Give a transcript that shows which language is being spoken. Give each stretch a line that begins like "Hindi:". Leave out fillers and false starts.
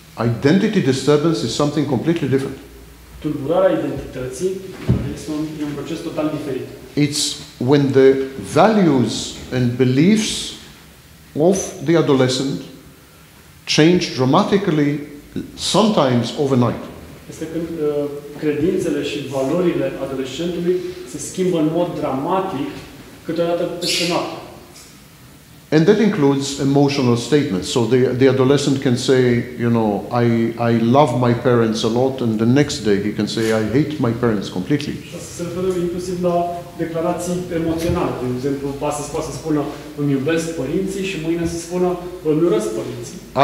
English: Identity disturbance is something completely different.
Romanian: Tulburarea identității este un proces total diferit.
English: It's when the values and beliefs of the adolescent change dramatically, sometimes overnight.
Romanian: Este când credințele și valorile adolescentului se schimbă în mod dramatic, câteodată peste noapte.
English: And that includes emotional statements. So the adolescent can say, you know, I love my parents a lot, and the next day he can say, I hate my parents completely.
Romanian: Se referă inclusiv la declarații emoționale. De exemplu, astăzi poate să spună, îmi iubesc părinții, și mâine să spună, îmi urăsc părinții.